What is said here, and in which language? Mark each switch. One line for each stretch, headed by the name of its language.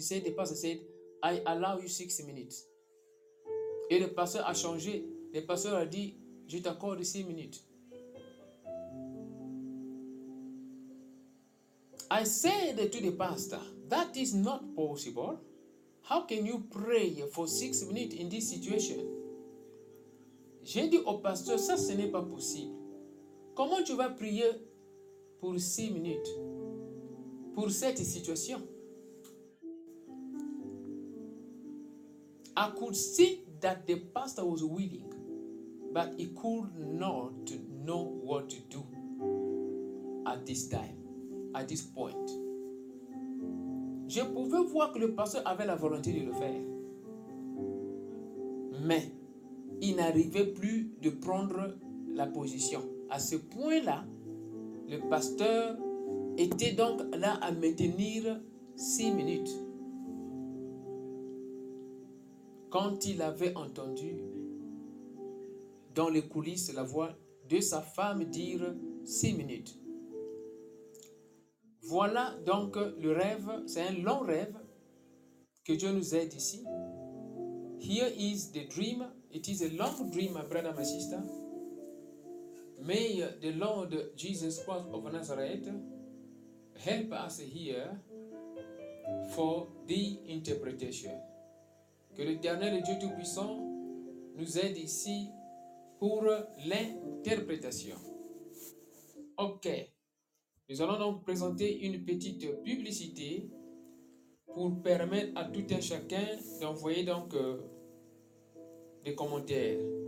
English: Said, the pastor said, I allow you 6 minutes.
French: Et le pasteur a changé. Le pasteur a dit, je t'accorde 6 minutes.
English: I said to the pastor, that is not possible. How can you pray for 6 minutes in this situation?
French: J'ai dit au pasteur, ça ce n'est pas possible. Comment tu vas prier pour 6 minutes pour cette situation?
English: I could see that the pastor was willing, but he could not know what to do at this time, at this point.
French: Je pouvais voir que le pasteur avait la volonté de le faire, mais il n'arrivait plus de prendre la position. À ce point-là, le pasteur était donc là à maintenir 6 minutes. Quand il avait entendu dans les coulisses la voix de sa femme dire 6 minutes. Voilà donc le rêve, c'est un long rêve que Dieu nous aide ici.
English: Here is the dream. It is a long dream, my brother, my sister. May the Lord Jesus Christ of Nazareth help us here for the interpretation.
French: Que l'Éternel Dieu Tout-Puissant nous aide ici pour l'interprétation. Ok, nous allons donc présenter une petite publicité pour permettre à tout un chacun d'envoyer donc des commentaires.